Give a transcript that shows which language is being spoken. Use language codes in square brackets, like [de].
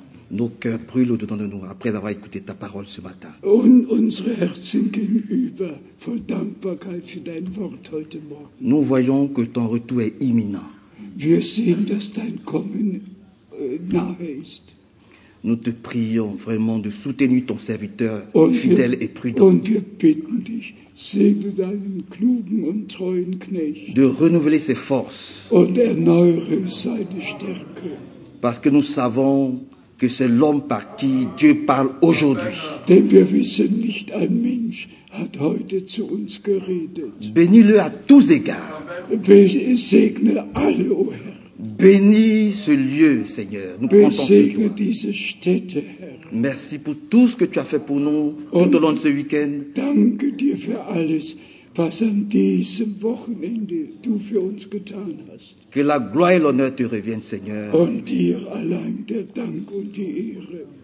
[fr] Nos cœurs brûlent au-dedans de nous après avoir écouté ta parole ce matin. [de] Und unsere Herzen gehen über voll Dankbarkeit für dein Wort heute Morgen. [fr] Nous voyons que ton retour est imminent. [de] Wir sehen, dass dein Kommen nahe ist. [fr] Nous te prions vraiment de soutenir ton serviteur fidèle et prudent. [de] Und wir bitten dich, segne deinen klugen und treuen Knecht. [fr] De renouveler ses forces. [de] Und erneuere seine Stärke. [fr] Parce que nous savons que c'est l'homme par qui Dieu parle aujourd'hui. [de] Denn wir wissen nicht, ein Mensch hat heute zu uns geredet. [fr] Bénis-le à tous égards. [de] Segne alle, ô Herr. [fr] Bénis ce lieu, Seigneur. Nous comptons sur toi. [de] Diese Städte, Herr. [fr] Merci pour tout ce que tu as fait pour nous tout au long de ce week-end. [de] Danke dir für alles, was an diesem Wochenende du für uns getan hast. [fr] Que la gloire et l'honneur te reviennent, Seigneur. [de] Und dir allein der Dank und die Ehre.